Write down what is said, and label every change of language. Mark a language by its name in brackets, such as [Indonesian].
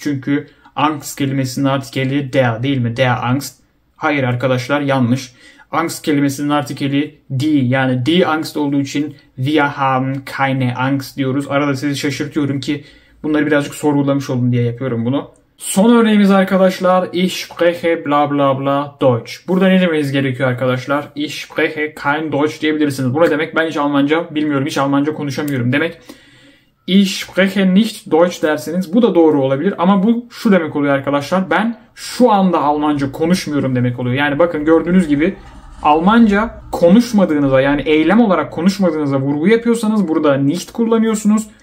[Turkish] Çünkü Angst kelimesinin artikeli der değil mi? [German] Der Angst. [Turkish] Hayır arkadaşlar yanlış. Angst kelimesinin artikeli die. Yani die Angst olduğu için [German] wir haben keine Angst [Turkish] diyoruz. Arada sizi şaşırtıyorum ki bunları birazcık sorgulamış olun diye yapıyorum bunu. Son örneğimiz arkadaşlar. [German] Ich spreche bla bla bla Deutsch. [Turkish] Burada ne demeniz gerekiyor arkadaşlar? [German] Ich spreche kein Deutsch [Turkish] diyebilirsiniz. Bu ne demek? Ben hiç Almanca bilmiyorum. Hiç Almanca konuşamıyorum demek. [German] Ich spreche nicht Deutsch [Turkish] derseniz bu da doğru olabilir ama bu şu demek oluyor arkadaşlar. Ben şu anda Almanca konuşmuyorum demek oluyor. Yani bakın gördüğünüz gibi Almanca konuşmadığınıza yani eylem olarak konuşmadığınıza vurgu yapıyorsanız burada nicht kullanıyorsunuz.